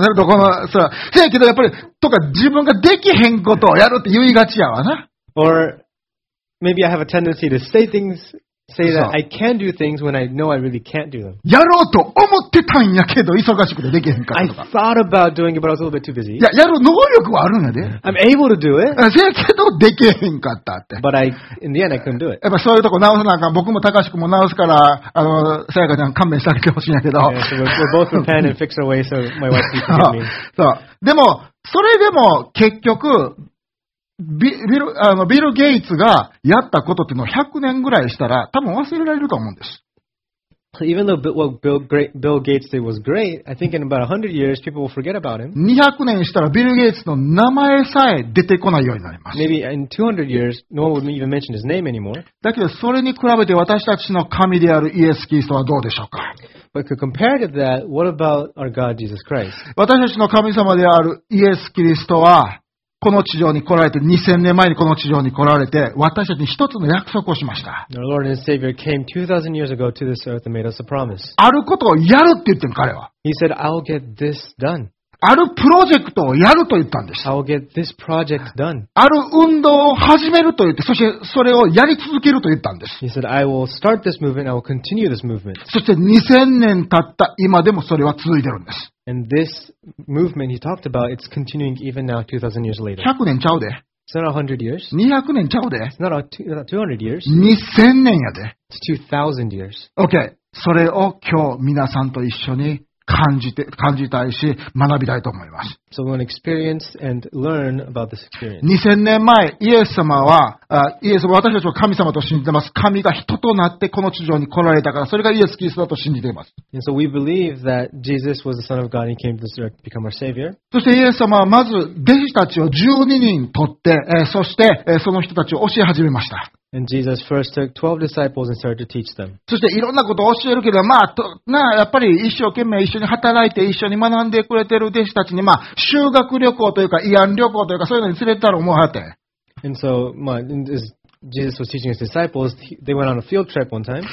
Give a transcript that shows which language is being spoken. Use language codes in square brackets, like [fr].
[ja] そこのそれせやけどやっぱりとか自分ができへんことをやるって言いがちやわな。 [en] Maybe I have a tendency to say things, say that I can do things when I know I really can't do them. [ja] やろうと思ってたんやけど忙しくてできへんかったとか。 [en] I thought about doing it, but I was a little bit too busy. [ja] やる能力はあるんやで。 [en] I'm able to do it. [ja] せやけどできへんかったって。 [en] But in the end, I couldn't do it. [ja] やっぱそういうとこ直さなあかん。僕も高橋くんも直すから、さやかちゃん勘弁してあげてほしいんやけど。 [en] Yeah, so we're both repent and fix our way so my wife can forgive me. [ja] そう。でも、それでも結局、ビル・ゲイツがやったことっていうのを100年ぐらいしたら多分忘れられると思うんです。 [en] So、even though what Bill Gates did was great, I think in about 100 years people will forget about him. [ja] 200年したらビル・ゲイツの名前さえ出てこないようになります。 [en] Maybe in 200 years no one would even mention his name anymore. [ja] だけどそれに比べて私たちの神であるイエス・キリストはどうでしょうか。 [en] But compared to that, what about our God Jesus Christ? [ja] 私たちの神様であるイエス・キリストはこの地上に来られて、2000年前にこの地上に来られて、私たちに一つの約束をしました。 [en] Our Lord and Savior came 2000 years ago to this earth and made us a promise. [ja] あることをやるって言ってん、彼は。 [en] He said, I'll get this done. [ja] あるプロジェクトをやると言ったんです。 [en] I'll get this project done. [ja] ある運動を始めると言って、そしてそれをやり続けると言ったんです。 [en] He said, I will start this movement, I will continue this movement. [ja] そして2000年経った今でもそれは続いてるんです。 [en] And this movement he talked about, it's continuing even now 2000 years later. [ja] 100年ちゃうで。 [en] It's not 100 years. [ja] 200年ちゃうで。 [en] It's not 200 years. [ja] 2000年やで。 [en] It's 2000 years. Okay. [ja] それを今日皆さんと一緒に感じたいし、学びたいと思います。 [en] So、we want to experience and learn about this experience. [ja] 2000年前、イエス様は、イエス様は私たちを神様と信じています。神が人となってこの地上に来られたから、それがイエス・キリストだと信じています。 [en] And so、we believe that Jesus was the Son of God and came to this earth to become our Savior. [ja] そしてイエス様はまず、弟子たちを12人取って、そして、その人たちを教え始めました。 [en] And Jesus first took 12 disciples and started to teach them. [ja] そしていろんなことを教えるけど、やっぱり一生懸命一緒に働いて一緒に学んでくれてる弟子たちに、修学旅行というか慰安旅行というかそういうのに連れてたら思われて。 [en] And so, Jesus was teaching his disciples. They went on a field trip one time.